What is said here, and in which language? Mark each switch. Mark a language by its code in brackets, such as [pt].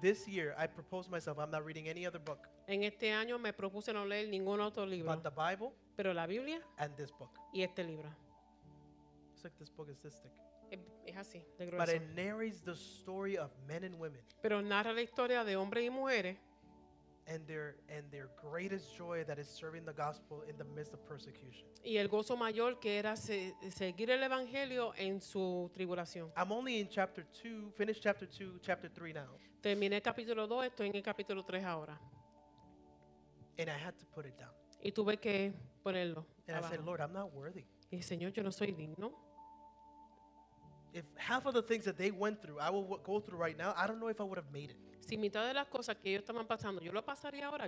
[en] this year I proposed myself, I'm not reading any other book. [es] En este año me propuse no leer ningún otro libro. [en] But the Bible. [es] Pero la Biblia. [en] And this book. [es] Y este libro. [en] It's like this book is this thick. [es] Es así, de grueso. [en] But it narrates the story of men and women. [es] Pero narra la historia de hombres y mujeres. [en] And their greatest joy that is serving the gospel in the midst of persecution. [es] Y el gozo mayor que era seguir el evangelio en su tribulación. [en] I'm only in chapter 2, finished chapter 2, chapter 3 now. [es] Terminé capítulo 2, estoy en el capítulo 3 ahora. [en] And I had to put it down. [es] Y tuve que ponerlo. [en] And [es] abajo. [en] I said, Lord, I'm not worthy. [es] Y Señor, yo no soy digno. [en] If half of the things that they went through, I will go through right now, I don't know if I would have made it. [es] Si mitad de las cosas que ellos estaban pasando, yo lo pasaría ahora.